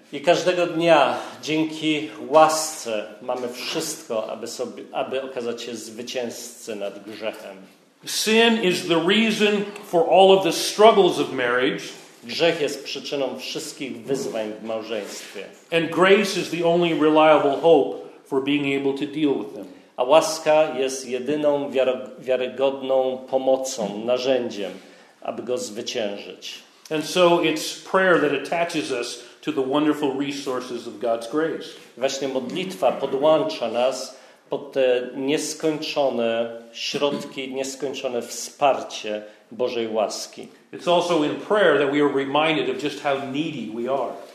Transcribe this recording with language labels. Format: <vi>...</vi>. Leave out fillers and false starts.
<pl>I każdego dnia dzięki łasce mamy wszystko, aby okazać się zwycięzcy nad grzechem.</pl> <en>Sin is the reason for all of the struggles of marriage.</en> <pl>Grzech jest przyczyną wszystkich wyzwań w małżeństwie.</pl> <en>And grace is the only reliable hope for being able to deal with them.</en> <pl>A łaska jest jedyną wiarygodną pomocą, narzędziem, aby go zwyciężyć.</pl> <en>And so it's prayer that attaches us to the wonderful resources of God's grace.</en> <pl>Właśnie modlitwa podłącza nas pod te nieskończone środki, nieskończone wsparcie Bożej łaski.</pl> <en>It's also in prayer that we are reminded of just how needy we are.</en>